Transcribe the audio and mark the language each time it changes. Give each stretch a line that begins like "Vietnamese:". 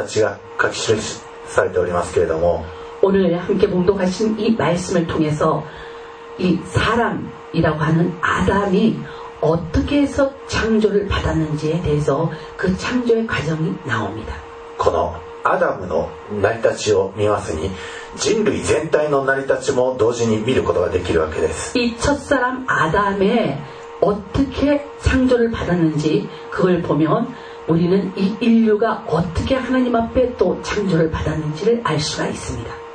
Japanese: 今お読みしました箇所ではその人、すなわちアダムの成り立ちが書き記されておりますけれども、
Korean: 오늘 함께 봉독하신 이 말씀을 통해서 이 사람이라고 하는 아담이 어떻게 해서 창조를 받았는지에 대해서 그 창조의 과정이 나옵니다.
Japanese: このアダムの成り立ちを見ますに、人類全体の成り立ちも同時に見ることができるわけです。
Korean: 이 첫 사람 아담의 어떻게 창조를 받았는지 그걸 보면 우리는 이 인류가 어떻게 하나님 앞에 또 창조를 받았는지를 알 수가 있습니다.